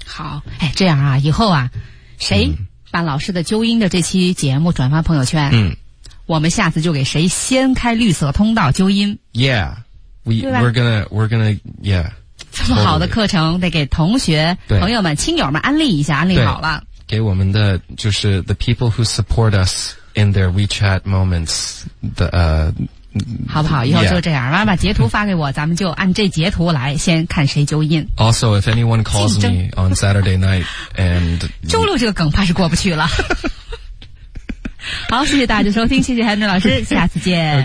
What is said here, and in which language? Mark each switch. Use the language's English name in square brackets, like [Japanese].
[Chinese] 好，哎，这样啊，以后啊，谁把老师的纠音的这期节目转发朋友圈，我们下次就给谁先开绿色通道纠音。 [English] Yeah, we're gonna, yeah. [Chinese] 这么好的课程得给同学朋友们亲友们安利一下，安利好了，给我们的就是 [English] the people who support us in their WeChat moments 的 [Chinese] 好不好，以后就这样，妈妈把截图发给我，咱们就按这截图来先看谁纠音。 [English] Also if anyone calls me on Saturday night and [Chinese] 周六这个梗怕是过不去了好，谢谢大家收听，谢谢 Henry 老师，下次见。